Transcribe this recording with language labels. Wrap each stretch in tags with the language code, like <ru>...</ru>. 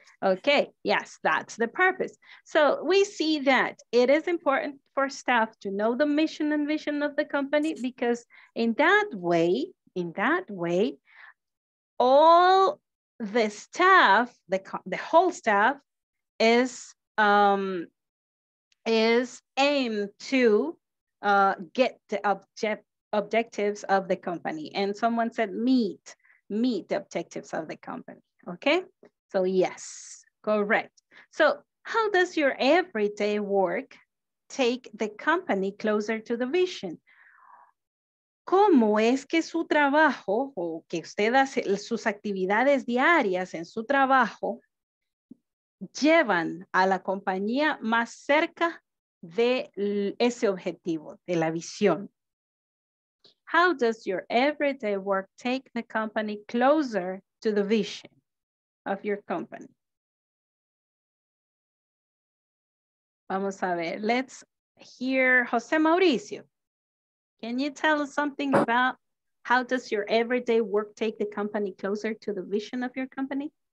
<en>Okay, yes, that's the purpose. So we see that it is important for staff to know the mission and vision of the company, because in that way, all the staff, the whole staff is aimed to get the objectives of the company. And someone said meet the objectives of the company, okay? So yes, correct. So how does your everyday work take the company closer to the vision?</en> <es>¿Cómo es que su trabajo o que usted hace sus actividades diarias en su trabajo llevan a la compañía más cerca de ese objetivo, de la visión?</es> <en>How does your everyday work take the company closer to the vision of your company?</en> <es>Vamos a ver,</es> <en>let's hear</en> <es>José Mauricio.</es> <en>Can you tell us something about how does your everyday work take the company closer to the vision of your company?</en>